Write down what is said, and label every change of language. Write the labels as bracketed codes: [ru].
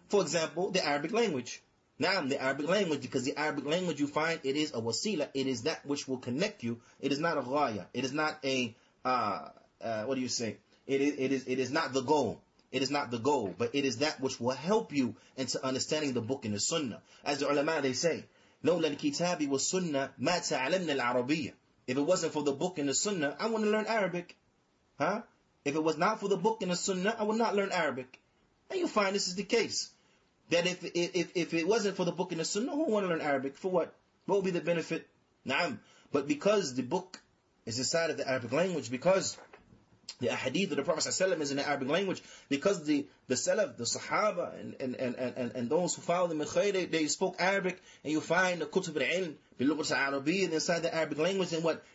[en] For example, the Arabic language. Now, the Arabic language, because the Arabic language, you find it is a wasila. It is that which will connect you. It is not a ghaya. It is not a, what do you say? It is not the goal. It is not the goal, but it is that which will help you into understanding the book and the sunnah. As the ulama, they say, [ar] لولا الكتاب والسنة ما تعلمنا العربية. [en] If it wasn't for the book and the sunnah, I wouldn't learn Arabic. Huh? If it was not for the book and the sunnah, I would not learn Arabic. And you find this is the case. That if it wasn't for the book and the sunnah, who would want to learn Arabic? For what? What would be the benefit? Naam. But because the book is inside of the Arabic language, because the ahadith of the Prophet ﷺ is in the Arabic language, because the Salaf, the Sahaba, and those who followed them in khair, they spoke Arabic, and you find the Kutub al-Ilm, bilughat al-Arabiyya, inside the Arabic language, and what?